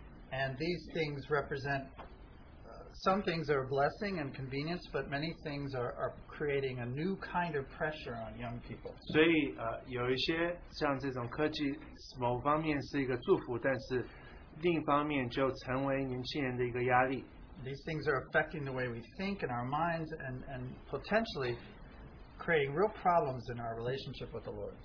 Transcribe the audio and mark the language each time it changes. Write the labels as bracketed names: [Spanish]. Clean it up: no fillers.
[English] And these things represent some things are a blessing and convenience, but many things are creating a new kind of pressure on young people. [Chinese] 所以有一些像这种科技，某方面是一个祝福，但是另一方面就成为年轻人的一个压力。 [English] These things are affecting the way we think in our minds and potentially creating real problems in our relationship with the Lord.